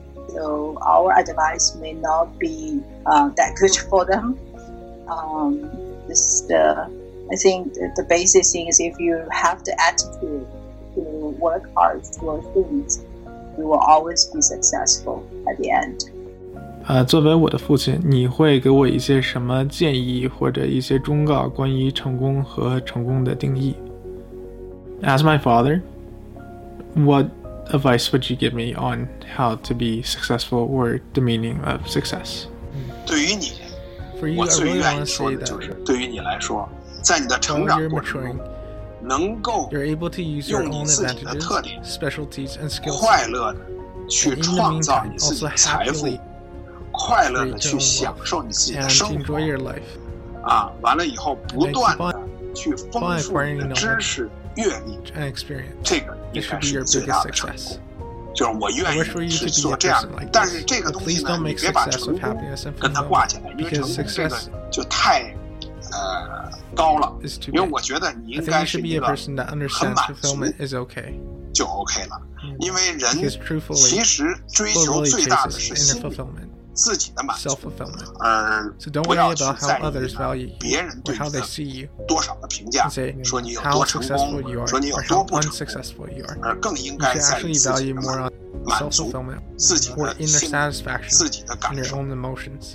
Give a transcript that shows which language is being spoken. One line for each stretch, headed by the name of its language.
English: So our advice may not be that good for them. I think the basic thing is, if you have the attitude to work hard for things, you will always be successful at the end.
Chinese: 作为我的父亲，你会给我一些什么建议或者一些忠告关于成功和成功的定义？
English: As my father, what advice would you give me on how to be successful or the meaning of success?
Chinese: 对于你，
English: For you,
Chinese: 我最愿意说的就是，对于你来说，在你的成长过程中，能够
English: You're able to use your own advantages, specialties, and skills.
Chinese: 快乐的去创造你自己的财富，快乐的去享受你自己的生活。
English: Enjoy your life.
Chinese: 完了以后不断的去丰富你的知识、阅历。
English: And experience.
Chinese: 这个应该是你最大的成功。就是我愿意是做这样的，
English: like、
Chinese: 但是这个东西呢，你别把成功跟它挂起来，因为成功这个就太高了。
English: It's too bad.
Chinese: 因为我觉得你应该是一个很满足
English: fulfillment is okay.
Chinese: 就 OK 了。因为人其实追求最大的是心理
English: fulfillment. Self-fulfillment. So don't worry about how others value you or how they see you. And say how successful you are or how unsuccessful you are. You should actually value more on self-fulfillment or inner satisfaction and your own emotions.